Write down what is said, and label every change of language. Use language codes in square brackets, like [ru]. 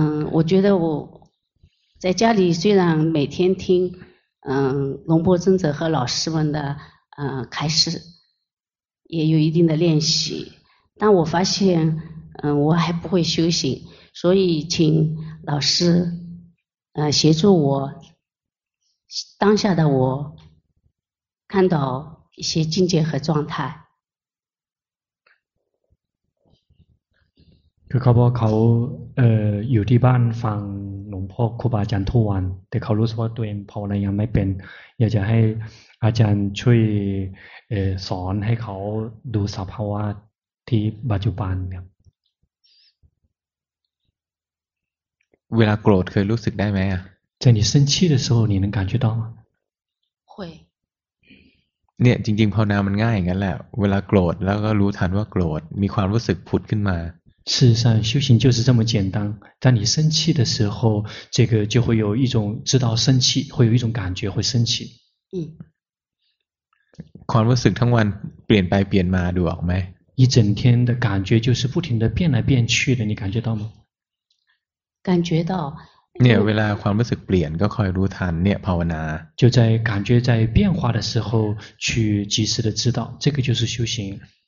[zh] 我觉得我在家里虽然每天听龙波尊者和老师们的开示也有一定的练习但我发现我还不会修行所以请老师协助我当下的我看到一些境界和状态 [th] คือเขาบอกเขาอยู่ที่บ้านฟังหลวงพ่อครูบาอาจารย์ทุกวันแต่เขารู้สึกว่าตัวเองภาวนายังไม่เป็นอยากจะให้อาจารย์ช่วยสอนให้เขาดูสภาวะที่ปัจจุบัน เวลาโกรธเคยรู้สึกได้ไหมอ่ะ [zh] 在你生气的时候你能感觉到吗会 [th] เนี่ยจริงๆภาวนามันง่ายอย่างนั้นแหละเวลาโกรธแล้วก็รู้ทันว่าโกรธมีความรู้สึกผุดขึ้นมา [zh] 事实上修行就是这么简单当你生气的时候这个就会有一种知道生气会有一种感觉会生气 [th] ความรู้สึกทั้งวันเปลี่ยนไปเปลี่ยนมาดูออกไหม [zh] 一整天的感觉就是不停的变来变去的你感觉到吗感觉到 [th] เนี่ยเวลาความรู้สึกเปลี่ยนก็คอยรู้ทันเนี่ยภาวนา [zh] 就在感觉在变化的时候去及时的知道这个就是修行